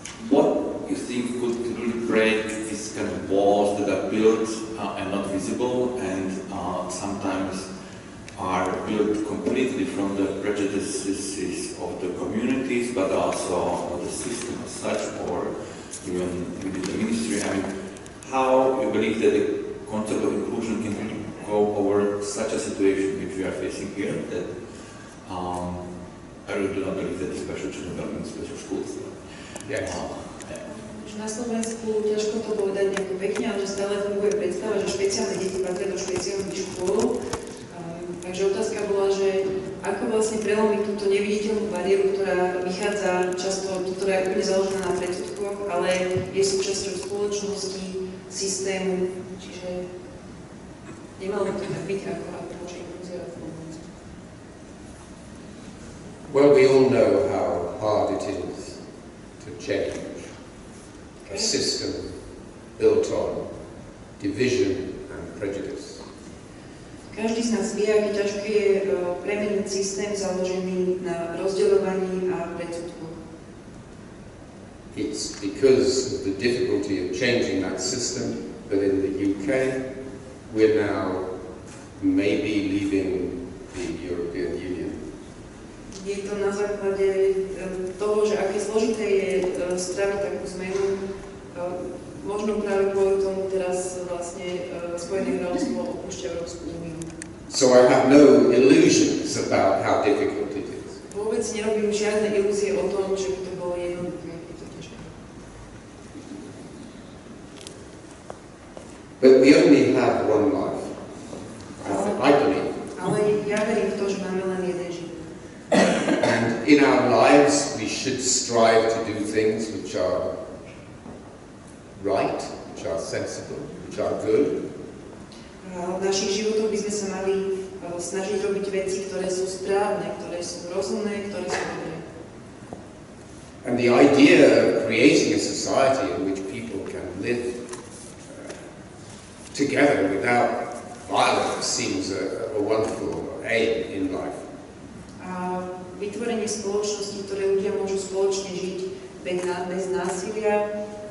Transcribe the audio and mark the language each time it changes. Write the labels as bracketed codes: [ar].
[en] What you think could really break these kind of walls that are built and not visible and sometimes are built completely from the prejudices of the communities but also of the system as such or even within the ministry? I mean, how you believe that the concept of inclusion can really go over such a situation which we are facing here that I really do not believe that the special children are in special schools. Yes. [sk] Na Slovensku ťažko to povedať nejako pekne, ale že stále funguje predstava, že špeciálne deti patria do špeciálnych škôl. Takže otázka bola, že ako vlastne prelomiť túto neviditeľnú bariéru, ktorá vychádza často, ktorá je úplne založená na predsudkoch, ale je súčasťou spoločnosti, systému, čiže nemalo by to tak byť ako a počiť inkluzia v Slovensku. [en] Well, we all know how hard it is to change a system built on division and prejudice. [sk] Každý z nás vie, aké ťažké je premeniť systém založený na rozdeľovaní a predsudku. [en] It's because of the difficulty of changing that system that in the UK we're now maybe leaving the European Union. [sk] Je to na základe toho, že aké zložité je spraviť takú zmenu, možno práve kvôli tomu teraz vlastne Spojené kráľovstvo opúšťa Európsku úniu. [en] So I have no illusions about how difficult it is. [sk] Vôbec nerobím žiadne ilúzie o tom, že by to bolo jednoduché, je to ťažké. [en] But we only have one life. I believe. [sk] Ale ja verím v to, že máme len jeden život. [en] And in our lives we should strive to do things which are right, which are sensible, which are good. [sk] V našich životoch by sme sa mali snažiť robiť veci, ktoré sú správne, ktoré sú rozumné, ktoré sú dobré. [en] And the idea of creating a society in which people can live together without violence seems a wonderful aim in life. [sk] A vytvorenie spoločnosti, ktoré ľudia môžu spoločne žiť bez násilia,